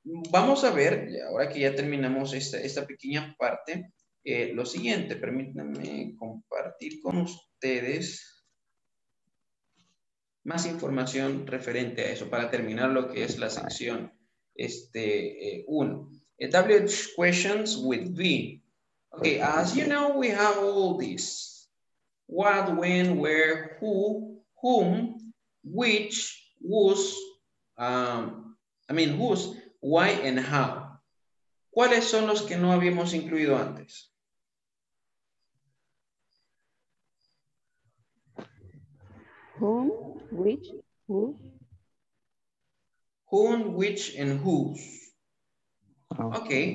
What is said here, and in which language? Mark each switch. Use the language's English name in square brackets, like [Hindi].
[Spanish] Vamos a ver, ahora que ya terminamos esta pequeña parte, lo siguiente, permítanme compartir con ustedes más información referente a eso para terminar lo que es la sección 1. [English] WH questions with V. Okay, as you know, we have all this. What, when, where, who, whom, which, whose, whose, why, and how. [Spanish] ¿Cuáles son los que no habíamos incluido antes? [English] Whom, which, who. Whom, which, and whose. Okay.